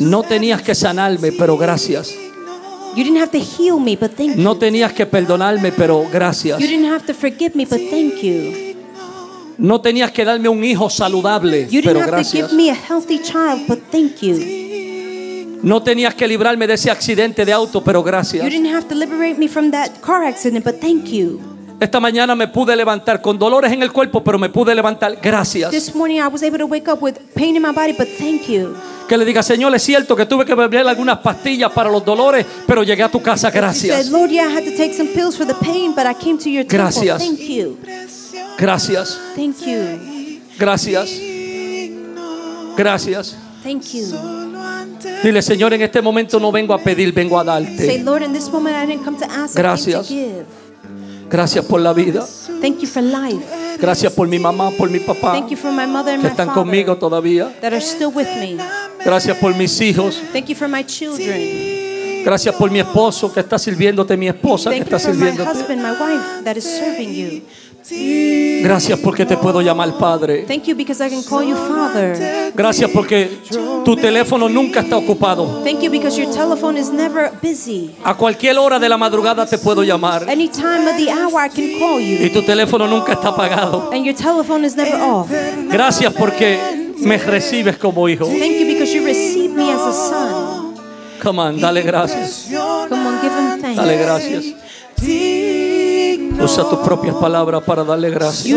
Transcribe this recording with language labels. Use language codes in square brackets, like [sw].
[es] No tenías que sanarme, pero gracias. [en] You didn't have to heal me, but thank you. [es] No tenías que perdonarme, pero gracias. [en] You didn't have to forgive me, but thank you. [es] No tenías que darme un hijo saludable, [en] you didn't [es] pero [en] have [es] gracias. [en] To give me a healthy child, but thank you. [es] No tenías que librarme de ese accidente de auto, pero gracias. [en] You didn't have to liberate me from that car accident, but thank you. [es] Esta mañana me pude levantar con dolores en el cuerpo, pero me pude levantar, gracias. [en] This morning I was able to wake up with pain in my body, but thank you. [es] Que le diga, Señor, es cierto que tuve que beber algunas pastillas para los dolores, pero llegué a tu casa, gracias. [en] Said, Lord, yeah, I had to take some pills for the pain, but I came to your temple. [es] Gracias. [en] Thank you. [es] Gracias. [en] Thank you. [es] Gracias. Gracias. [en] Thank you. [es] Dile, Señor, en este momento no vengo a pedir, vengo a darte. [en] Say, Lord, in this moment I didn't come to ask, [es] gracias. [en] I came to give. [es] Gracias por la vida. [en] Thank you for life. [es] Gracias por mi mamá, por mi papá. [en] Thank you for my mother and [es] que están [en] my [es] conmigo todavía. [en] That are still with me. [es] Gracias por mis hijos. [en] Thank you for my children. [es] Gracias por mi esposo que está sirviéndote, mi esposa [en] thank [es] que está sirviéndote. [en] Thank you for my husband, my wife that is serving you. [es] Gracias porque te puedo llamar padre. [en] Thank you because I can call you father. [es] Gracias porque tu teléfono nunca está ocupado. [en] Thank you because your telephone is never busy. [es] A cualquier hora de la madrugada te puedo llamar. [en] Any time of the hour I can call you. [es] Y tu teléfono nunca está apagado. [en] And your telephone is never off. [es] Gracias porque me recibes como hijo. [en] Thank you because you receive me as a son. Come on, [es] dale gracias. [en] Come on, give him thanks. [es] Dale gracias. Usa tus propias palabras para darle gracias.